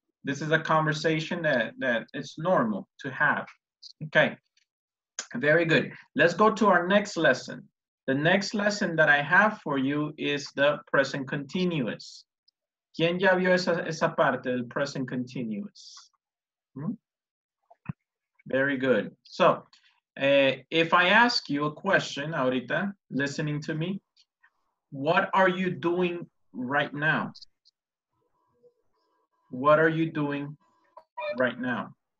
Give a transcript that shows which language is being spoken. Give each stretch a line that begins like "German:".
English: This is a conversation that it's normal to have. Okay, very good. Let's go to our next lesson. The next lesson that I have for you is the present continuous.
Spanish: ¿Quién ya vio esa parte del present continuous?
English: Very good. So, if I ask you a question ahorita, listening to me, what are you doing right now? What are you doing right now?